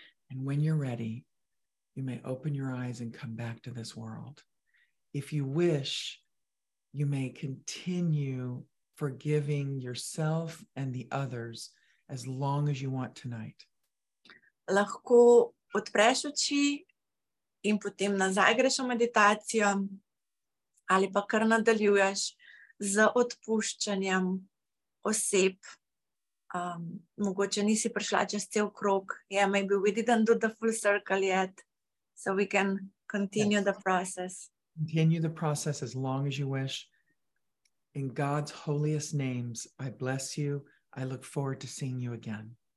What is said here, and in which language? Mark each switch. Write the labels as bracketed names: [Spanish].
[English] And when you're ready, you may open your eyes and come back to this world. If you wish, you may continue forgiving yourself and the others as long as you want tonight. [Slovenian] Lahko odpreš oči in potem nazaj greš v meditacijo ali pa kar nadaljuješ z odpuščanjem oseb. Mogoče nisi prišla čez cel krog. [English] Yeah, maybe we didn't do the full circle yet. So we can continue the process. Continue the process as long as you wish. In God's holiest names, I bless you. I look forward to seeing you again.